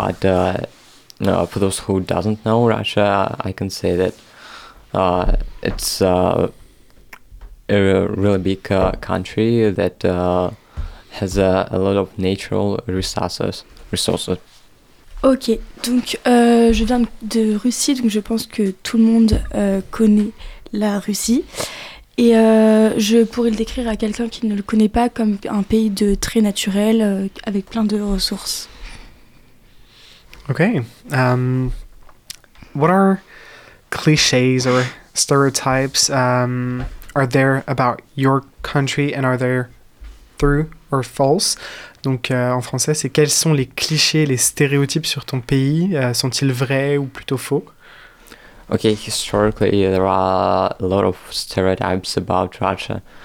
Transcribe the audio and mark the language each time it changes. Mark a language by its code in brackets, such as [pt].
[en] So, for those who doesn't know Russia, I can say that it's a really big country that has a lot of natural resources. [fr] Ok, donc je viens de Russie, donc je pense que tout le monde connaît la Russie. Et je pourrais le décrire à quelqu'un qui ne le connaît pas comme un pays de très naturel, avec plein de ressources. Ok. [en] What are clichés or stereotypes are there about your country and are there true or false? [fr] Donc en français, c'est quels sont les clichés, les stéréotypes sur ton pays? Sont-ils vrais ou plutôt faux? [en] Okay, historically, there are a lot of stereotypes about Russia.